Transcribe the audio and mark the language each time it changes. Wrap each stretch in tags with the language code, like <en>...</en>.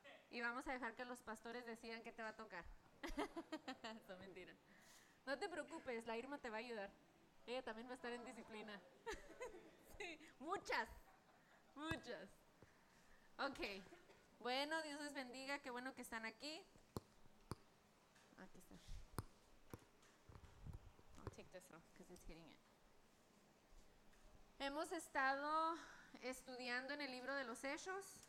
<es>Y vamos a dejar que los pastores decidan qué te va a tocar. Eso, mentira. No te preocupes, la Irma te va a ayudar. Ella también va a estar en disciplina. Sí, muchas. Muchas. Ok. Bueno, Dios les bendiga. Qué bueno que están aquí. Aquí está.</es> <en>I'll take this off because it's hitting it.</en> <es>Hemos estado estudiando en el libro de los Hechos.</es>